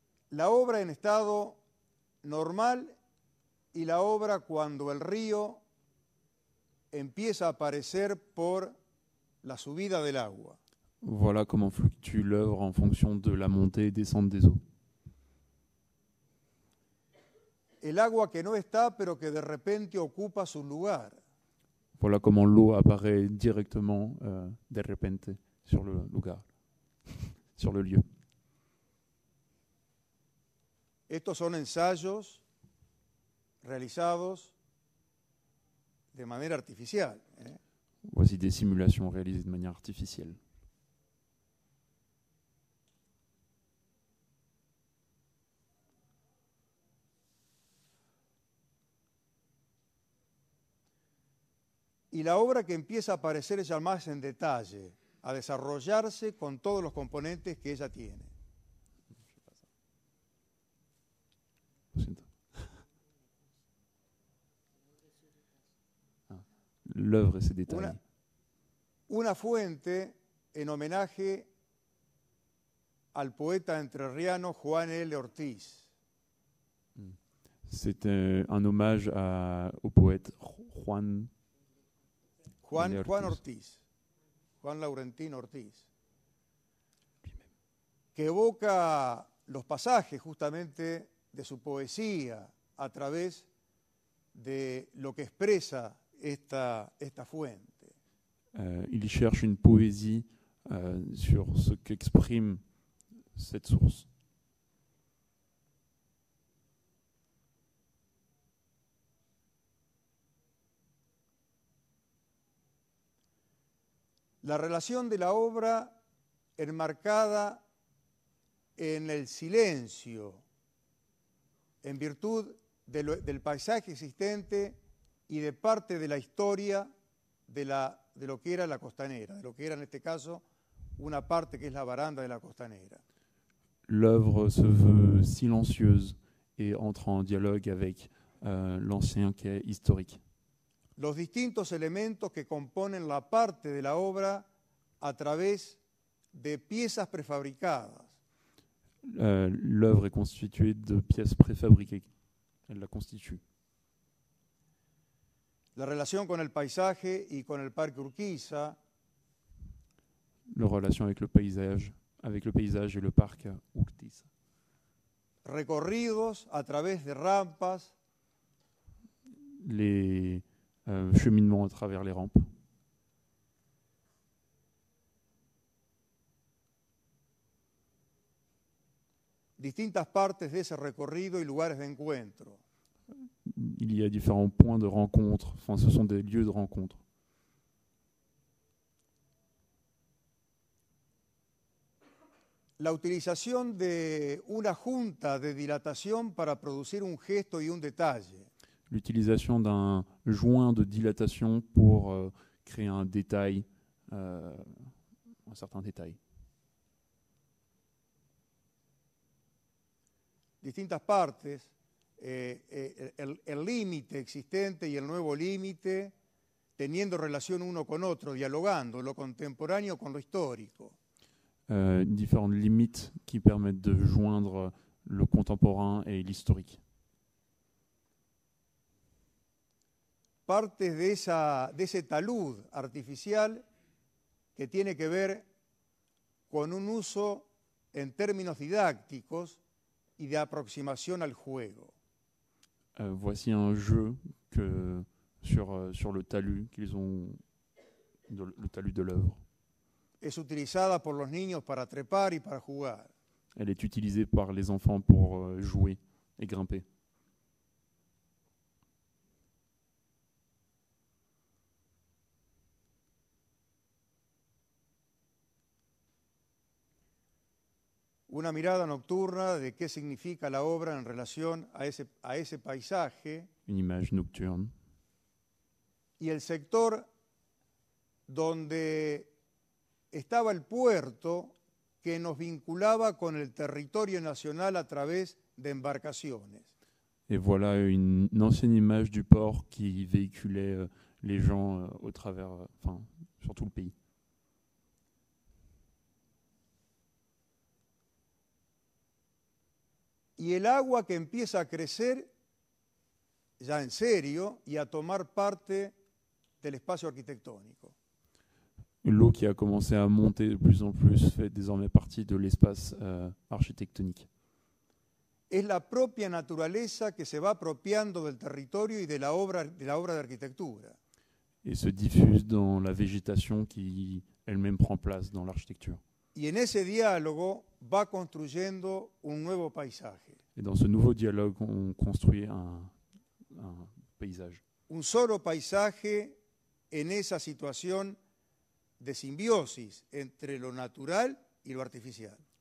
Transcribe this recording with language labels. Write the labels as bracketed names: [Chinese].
[Spanish] La obra en estado normal y la obra cuando el río empieza a aparecer por la subida del agua. [French] Voilà comment fluctue l'œuvre en fonction de la montée et descente des eaux. [Spanish] El agua que no está, pero que de repente ocupa su lugar. [French] Voilà comment l'eau apparaît directement, [Spanish] de repente, [French] sur le [Spanish] lugar, [French] sur le lieu. [Spanish] Estos son ensayos realizados de manera artificial. [French] Voici des simulations réalisées de manière artificielle. [Spanish] Y la obra que empieza a aparecer ya más en detalle, a desarrollarse con todos los componentes que ella tiene. Lo siento. [French] L'œuvre [Spanish] se detalla. Una fuente en homenaje al poeta entrerriano Juan L. Ortiz. [French] C'est un hommage au poète Juan. [Spanish] Juan Ortiz, Juan Laurentino Ortiz, que evoca los pasajes justamente de su poesía a través de lo que expresa esta fuente. [French] Il cherche une poésie sur ce qu'exprime cette source. [Spanish] La relación de la obra enmarcada en el silencio, en virtud del paisaje existente y de parte de la historia de lo que era la costanera, de lo que era en este caso una parte que es la baranda de la costanera. [French] L'œuvre se veut silencieuse et entre en dialogue avec l'ancien quai historique. [Spanish] Los distintos elementos que componen la parte de la obra a través de piezas prefabricadas. [French] L'œuvre est constituée de pièces préfabriquées. Elle la constitue. [Spanish] La relación con el paisaje y con el parque Urquiza. La relación [French] avec le paysage et le parc Urquiza. [Spanish] Recorridos a través de rampas. [French] Les cheminements à travers les rampes. [Spanish] Distintas partes de ese recorrido y lugares de encuentro. [French] Il y a différents points de rencontre, enfin ce sont des lieux de rencontre. [Spanish] La utilización de una junta de dilatación para producir un gesto y un detalle. [French] L'utilisation d'un joint de dilatation pour créer un détail, un certain détail. [Spanish] Distintas partes, el límite existente y el nuevo límite, teniendo relación uno con otro, dialogando lo contemporáneo con lo histórico. [French] Différentes limites qui permettent de joindre le contemporain et l'historique. [Spanish] Partes de esa de ese talud artificial que tiene que ver con un uso en términos didácticos y de aproximación al juego. [French] Voici un jeu que sur le talud qu'ils ont de, le talud de l'œuvre. [Spanish] Es utilizada por los niños para trepar y para jugar. [French] Elle est utilisée par les enfants pour jouer et grimper. [Spanish] Una mirada nocturna de qué significa la obra en relación a ese paisaje. [French] Une image nocturne. [Spanish] Y el sector donde estaba el puerto que nos vinculaba con el territorio nacional a través de embarcaciones. [French] Et voilà une ancienne image du port qui véhiculait les gens au travers, enfin, sur tout le pays. [Spanish] Y el agua que empieza a crecer ya en serio y a tomar parte del espacio arquitectónico. [French] L'eau qui a commencé à monter de plus en plus fait désormais partie de l'espace architectonique. [Spanish] Es la propia naturaleza que se va apropiando del territorio y de la obra de arquitectura. [French] Et se diffuse dans la végétation qui elle-même prend place dans l'architecture. [Spanish] Y en ese diálogo va construyendo un nuevo paisaje. [French] Et dans ce nouveau dialogue, on construit un paysage. [Spanish] Un solo paisaje en esa situación de simbiosis entre lo natural y lo artificial.